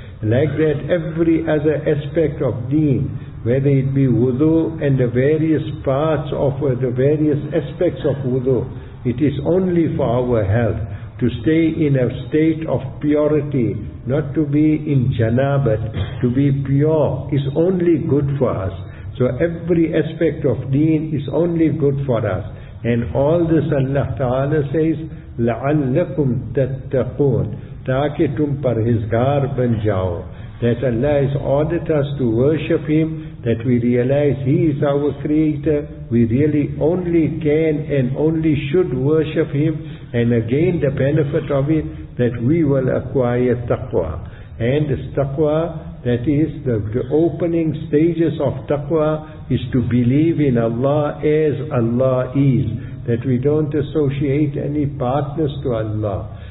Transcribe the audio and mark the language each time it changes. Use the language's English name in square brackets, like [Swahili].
[English] Like that, every other aspect of deen, whether it be wudu and the various parts of the various aspects of wudu, it is only for our health, to stay in a state of purity, not to be in janabat, to be pure is only good for us. So every aspect of deen is only good for us. And all this Allah Ta'ala says, [Arabic] لَعَلَّكُمْ تَتَّقُونَ [Urdu] تَاكِ تُمْ پَرْهِزْغَارْ بَنْ جَاؤُ. [English] That Allah has ordered us to worship Him, that we realize He is our Creator, we really only can and only should worship Him, and again the benefit of it, that we will acquire taqwa. And this taqwa, that is the opening stages of taqwa, is to believe in Allah as Allah is, that we don't associate any partners to Allah.